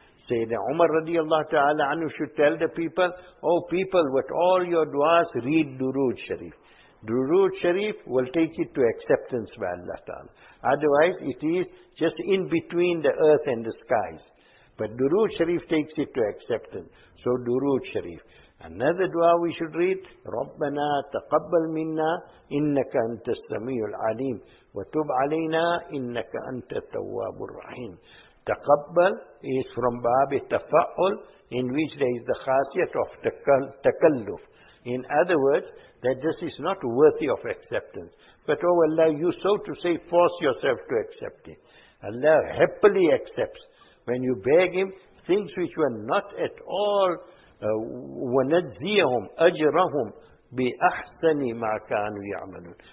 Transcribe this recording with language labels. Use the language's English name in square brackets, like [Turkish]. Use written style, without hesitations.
[English] Sayyidina Umar radiallahu ta'ala anhu should tell the people, oh people, with all your du'as, read Durood Sharif. Durood Sharif will take it to acceptance by Allah ta'ala. Otherwise, it is just in between the earth and the skies. But Durood Sharif takes it to acceptance. So Durood Sharif. Another dua we should read, [Arabic] رَبَّنَا تَقَبَّلْ مِنَّا إِنَّكَ أَنْتَ السَّمِيعُ الْعَلِيمُ وَتُبْ عَلَيْنَا إِنَّكَ أَنْتَ التَّوَّابُ الرَّحِيمُ. [English] تَقَبَّلْ is from Babi Tafa'ul, in which there is the khasiyat of takalluf. In other words, that this is not worthy of acceptance. But oh Allah, you so to say force yourself to accept it. Allah happily accepts. When you beg Him, things which were not at all [Arabic] وَنَجْزِيَهُمْ أَجْرَهُمْ بِأَحْسَنِ مَا كَانُوا يَعْمَلُونَ.